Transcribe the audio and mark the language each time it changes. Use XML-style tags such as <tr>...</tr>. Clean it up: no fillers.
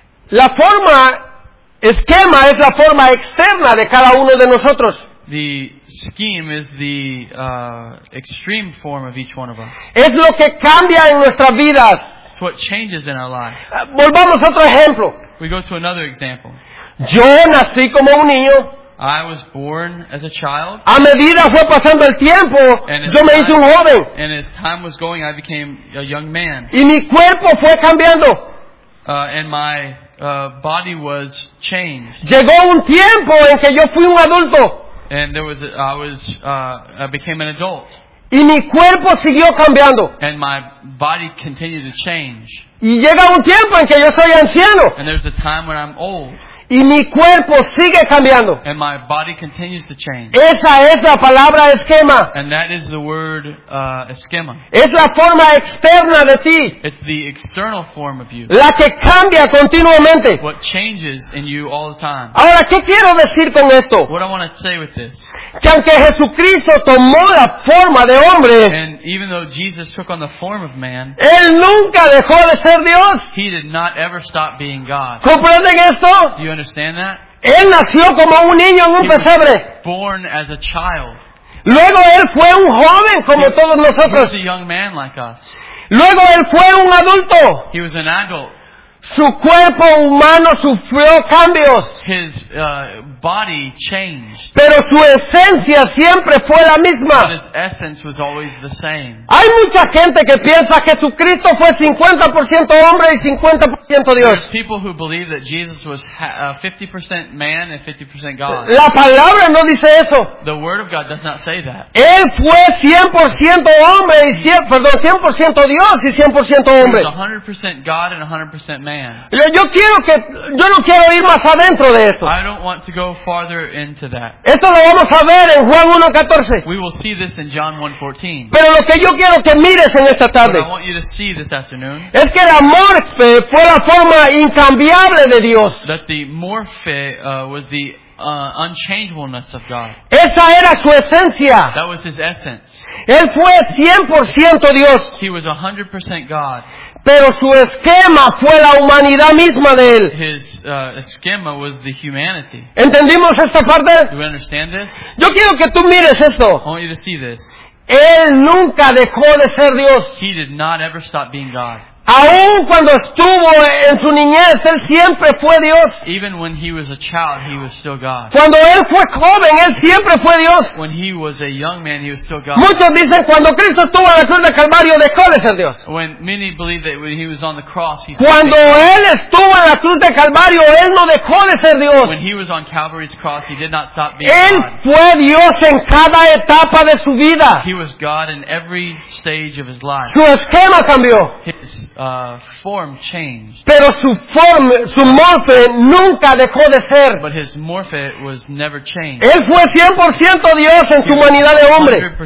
<es>La forma esquema es la forma externa de cada uno de nosotros.</es> <en>The scheme is the extreme form of each one of us.</en> <es>Es lo que cambia en nuestras vidas.</es> <en>It's what changes in our lives.</en> <es>Volvamos a otro ejemplo.</es> <en>We go to another example.</en> <es>Yo nací como un niño.</es> <en>I was born as a child.</en> <es>A medida fue pasando el tiempo, yo me hice un joven.</es> <en>And as time was going, I became a young man.</en> <es>Y mi cuerpo fue cambiando.</es> <en>Body was changed.</en> <es>Llegó un tiempo en que yo fui un adulto.</es> <en>And I became an adult.</en> <es>Y mi cuerpo siguió cambiando.</es> <en>And my body continued to change.</en> <es>Y llega un tiempo en que yo soy anciano.</es> <en>And there's a time when I'm old.</en> <es>Y mi cuerpo sigue cambiando.</es> <en>And my body continues to change.</en> <es>Esa es la palabra esquema.</es> <en>And that is the word esquema.</en> <es>Es la forma externa de ti.</es> <en>It's the external form of you.</en> <es>La que cambia continuamente.</es> <en>What changes in you all the time.</en> <es>Ahora, ¿qué quiero decir con esto?</es> <en>What I want to say with this.</en> <es>Que aunque Jesucristo tomó la forma de hombre,</es> <en>and even though Jesus took on the form of man,</en> <es>él nunca dejó de ser Dios.</es> <en>He did not ever stop being God.</en> <es>¿Comprenden esto?</es> <en>Do you understand that?</en> <es>Él nació como un niño en un pesebre.</es> <en>Born as a child.</en> <es>Luego él fue un joven como todos nosotros.</es> <en>He was a young man like us.</en> <es>Luego él fue un adulto.</es> <en>He was an adult.</en> <es>Su cuerpo humano sufrió cambios.</es> <en>His body changed.</en> <es>Pero su esencia siempre fue la misma.</es> <en>But his essence was always the same.</en> <es>Hay mucha gente que piensa que Jesucristo fue 50% hombre y 50% Dios.</es> <en>There's people who believe that Jesus was 50% man and 50% God.</en> <es>La palabra no dice eso.</es> <en>The word of God does not say that.</en> <es>Él fue 100% hombre y 100% Dios y 100% hombre.</es> <en>He was 100% God and 100% man.</en> <es>Yo no quiero ir más adentro de eso.</es> <en>I don't want to go farther into that.</en> <es>Esto lo vamos a ver en Juan 1:14.</es> <en>We will see this in John 1:14.</en> <es>Pero lo que yo quiero que mires en esta tarde,</es> <en>what I want you to see this afternoon,</en> <es>es que la morfe fue la forma incambiable de Dios.</es> <en>That the morfe was the unchangeableness of God.</en> <es>Esa era su esencia.</es> <en>That was his essence.</en> <es>Él fue 100% Dios.</es> <en>He was 100% God.</en> <es>Pero su esquema fue la humanidad misma de él.</es> <en>His schema was the humanity.</en> <es>¿Entendimos esta parte?</es> <en>Do you understand this?</en> <es>Yo quiero que tú mires esto.</es> <en>I want you to see this.</en> <es>Él nunca dejó de ser Dios.</es> <en>He did not ever stop being God.</en> <es>Aún cuando estuvo en su niñez, él siempre fue Dios.</es> <en>Even when he was a child, he was still God.</en> <es>Cuando él fue joven, él siempre fue Dios.</es> <en>When he was a young man, he was still God.</en> <es>Muchos dicen cuando Cristo estuvo en la cruz del Calvario, dejó de ser Dios.</es> <en>When many believe that when he was on the cross, he</en> <es>cuando él estuvo en la cruz del Calvario, él no dejó de ser Dios.</es> <en>When he was on Calvary's cross, he did not stop being</en> <es>él</es> <en>God.</en> <es>Él fue Dios en cada etapa de su vida.</es> <en>He was God in every stage of his life.</en> <es>Su esquema cambió.</es> <en>Form changed.</en> <es>Pero su forma, su morfe nunca dejó de ser.</es> <en>But his morphe was never changed.</en> <es>Él fue 100% Dios en su humanidad de hombre.</es>